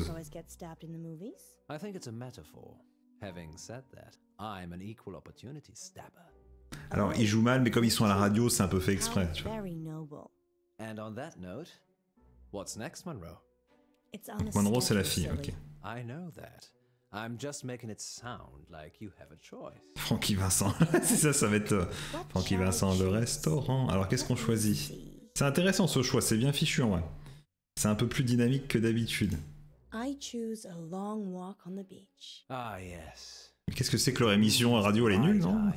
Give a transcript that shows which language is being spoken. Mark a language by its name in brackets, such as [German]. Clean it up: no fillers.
[English] Why do girls always get stabbed in the movies? I think it's a metaphor. Having said that, I'm an equal opportunity stabber. [French] Alors, ils jouent mal, mais comme ils sont à la radio, c'est un peu fait exprès, tu vois. [English] Very noble. And on that note, what's next, Monroe? It's on [French] Donc, Monroe, c'est la fille, ok. [English] I know that. I'm just making it sound like you have a choice. [French] Frankie Vincent, c'est ça, ça va être Frankie Vincent, le restaurant. Alors qu'est-ce qu'on choisit? C'est intéressant ce choix, c'est bien fichu en vrai. C'est un peu plus dynamique que d'habitude. [English] I choose a long walk on the beach. Ah yes. [French] Mais qu'est-ce que c'est que leur émission à radio, elle est nulle, non?